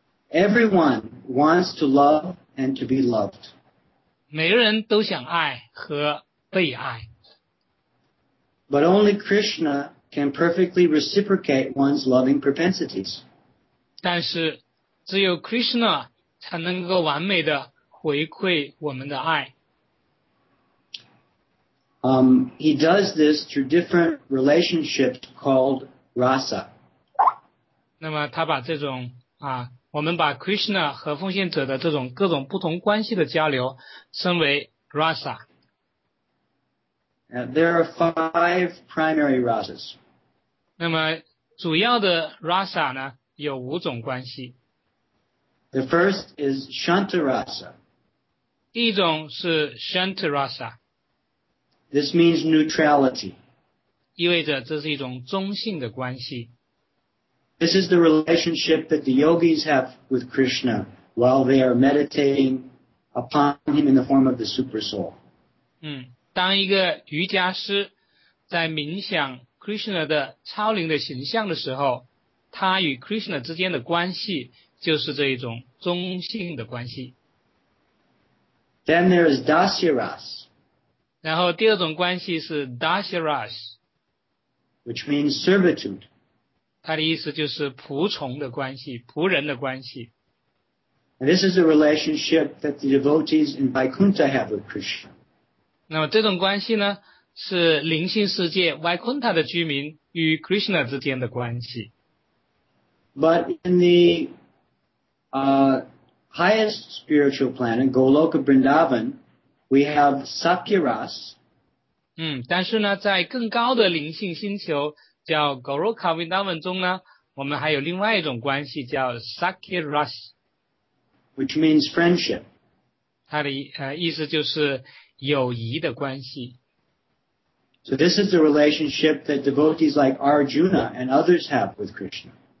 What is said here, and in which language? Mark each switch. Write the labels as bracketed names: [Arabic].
[English] Everyone wants to love and to be loved. [Chinese] 每个人都想爱和被爱。 [English] But only Krishna can perfectly reciprocate one's loving propensities. [Chinese] 但是只有 Krishna 才能够完美的回馈我们的爱。 [English] He does this through different relationships called rasa. [Chinese] 那么他把这种我们把 Krishna 和奉献者的这种各种不同关系的交流称为 rasa. [English] There are five primary rasas. [Chinese] 那么主要的 rasa 呢有五种关系。 [English] The first is shanta rasa. [Chinese] 第一种是 shanta rasa. [English] This means neutrality. [Chinese] 意味着这是一种中性的关系。 [English] This is the relationship that the yogis have with Krishna while they are meditating upon him in the form of the super soul. [Chinese] 当一个瑜伽师在冥想 Krishna 的超灵的形象的时候，他与 Krishna 之间的关系就是这一种中性的关系。 [English] Then there is dasya ras. [Chinese] 然后第二种关系是 dasya ras, [English] which means servitude. [Chinese] 他的意思就是仆从的关系，仆人的关系。 [English] This is a relationship that the devotees in Vaikuntha have with Krishna. [Chinese] 那么这种关系呢，是灵性世界 Vaikuntha 的居民与 Krishna 之间的关系。 [English] But in the highest spiritual planet, Goloka Vrindavan, we have Sakyaras. [Chinese] 但是呢，在更高的灵性星球叫 Goloka Vrindavan 中呢，我们还有另外一种关系叫 Sakya Ras, [English] which means friendship. [Chinese] 它的意思就是友谊的关系。 [English] So this is the relationship that devotees like Arjuna and others have with Krishna.